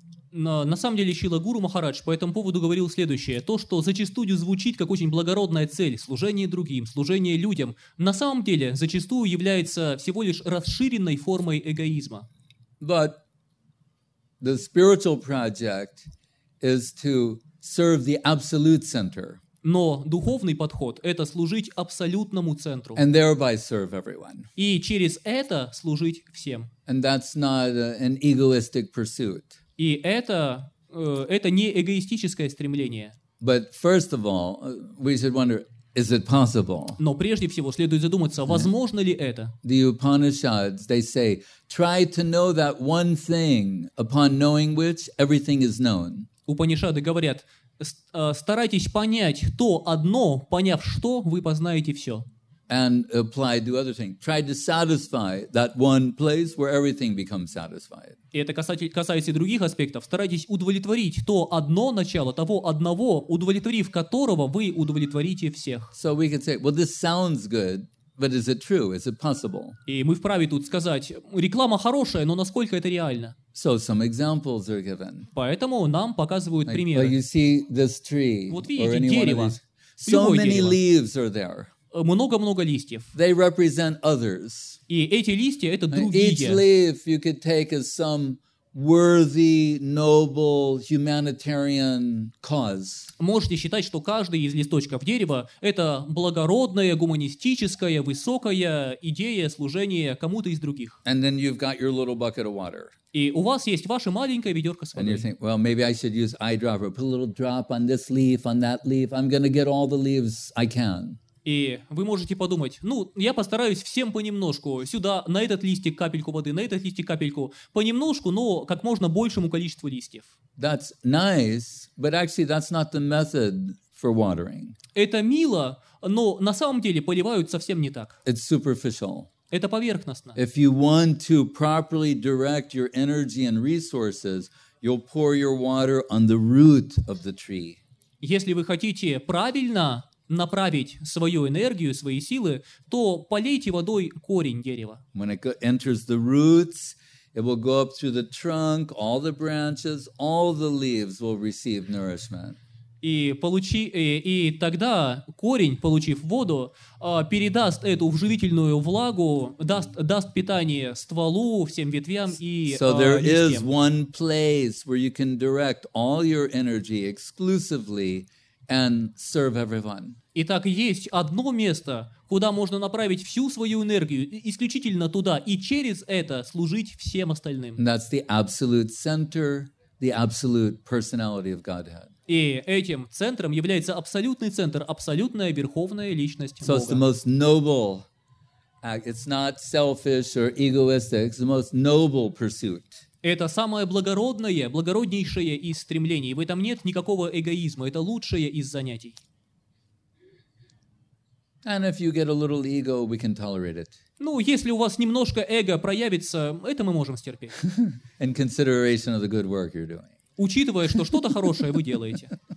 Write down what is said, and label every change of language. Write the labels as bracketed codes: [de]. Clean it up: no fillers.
[ru] На самом деле, Шрила Гуру Махарадж по этому поводу говорил следующее. То, что зачастую звучит как очень благородная цель – служение другим, служение людям, на самом деле зачастую является всего лишь расширенной формой эгоизма. [en] But the spiritual project is to serve the absolute center. [ru] Но духовный подход – это служить абсолютному центру. [en] And thereby serve everyone. [ru] И через это служить всем. [en] And that's not an egoistic pursuit. [ru] И это не эгоистическое стремление. [en] But first of all, we should wonder, is it possible? [ru] Но прежде всего следует задуматься, возможно ли это? [en] The Upanishads, they say, try to know that one thing, upon knowing which, everything is known. [ru] Упанишады говорят – старайтесь понять то одно, поняв что, вы познаете все. [en] And apply the other thing. Try to satisfy that one place where everything becomes satisfied. [ru] И это касается и других аспектов. Старайтесь удовлетворить то одно начало, того одного, удовлетворив которого, вы удовлетворите всех. [en] So we could say, well, this sounds good. But is it true? Is it possible? [ru] И мы вправе тут сказать, реклама хорошая, но насколько это реально? [en] So some examples are given. [ru] Поэтому нам показывают [en] like, [ru] примеры. [en] Like you see this tree, [ru] вот видите, дерево. [en] So [ru] любое [en] many [ru] дерево. [en] Leaves are there. [ru] Много-много листьев. [en] They represent others. [ru] И эти листья — это другие. [en] Each leaf you could take as some worthy, noble, humanitarian cause. [ru] Можете считать, что каждый из листочков дерева — это благородная, гуманистическая, высокая идея служения кому-то из других. [en] And then you've got your little bucket of water. [ru] И у вас есть ваше маленькое ведерко с водой. [en] And you think, well, maybe I should use eyedropper. Put a little drop on this leaf, on that leaf. I'm going to get all the leaves I can. [ru] И вы можете подумать, ну, я постараюсь всем понемножку, сюда, на этот листик капельку воды, на этот листик капельку, понемножку, но как можно большему количеству листьев. [en] That's nice, but actually that's not the method for watering. [ru] Это мило, но на самом деле поливают совсем не так. [en] It's superficial. [ru] Это поверхностно. [en] If you want to properly direct your energy and resources, you'll pour your water on the root of the tree. [ru] Если вы хотите правильно направить свою энергию, свои силы, то полейте водой корень дерева. [en] When it enters the roots, it will go up through the trunk, all the branches, all the leaves will receive nourishment. [ru] И тогда корень, получив воду, передаст эту вживительную влагу, даст питание стволу, всем ветвям и листьям. [en] So there is one place where you can direct all your energy exclusively and serve everyone. [ru] Итак, есть одно место, куда можно направить всю свою энергию исключительно туда и через это служить всем остальным. [en] And that's the absolute center, the absolute personality of Godhead. [ru] И этим центром является абсолютный центр, абсолютная верховная личность Бога. [en] So it's the most noble act. It's not selfish or egoistic, it's the most noble pursuit. [ru] Это самое благородное, благороднейшее из стремлений. В этом нет никакого эгоизма. Это лучшее из занятий. [en] And if you get a little ego, we can tolerate it. [ru] Ну, если у вас немножко эго проявится, это мы можем стерпеть. [en] In consideration of the good work you're doing. [ru] Учитывая, что что-то хорошее вы делаете.